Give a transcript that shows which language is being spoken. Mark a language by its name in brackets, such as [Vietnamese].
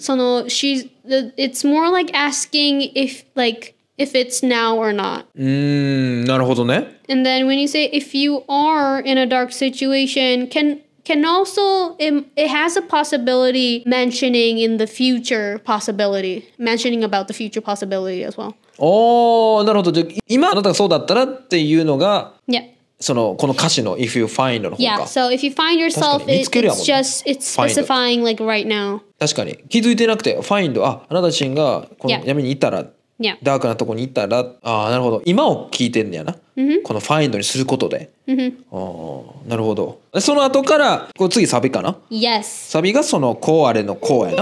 [English] その she's the, it's more like asking if likeIf it's now or not. [Japanese] なるほどね。 [English] And then when you say if you are in a dark situation, can also, it has a possibility mentioning in the future possibility. Mentioning about the future possibility as well. [Japanese] なるほど。じゃ今あなたがそうだったらっていうのが、 [English] yeah. [Japanese] そのこの歌詞の [English] if you find [Japanese] の方か。 [English] Yeah, so if you find yourself, it's just, it's specifying like right now. [Japanese] 確かに。気づいてなくて、find, あなた自身がこの闇にいたら、 [English] yeah. Yeah. [Japanese] ダークなとこに行ったら、ああ、なるほど。今を聞いてんのやな。 Mm-hmm. このファインドにすることで。 Mm-hmm. なるほど。その後から、こ次サビかな [English] ?Yes。 [Japanese] サビがそのこうあれのこうやな。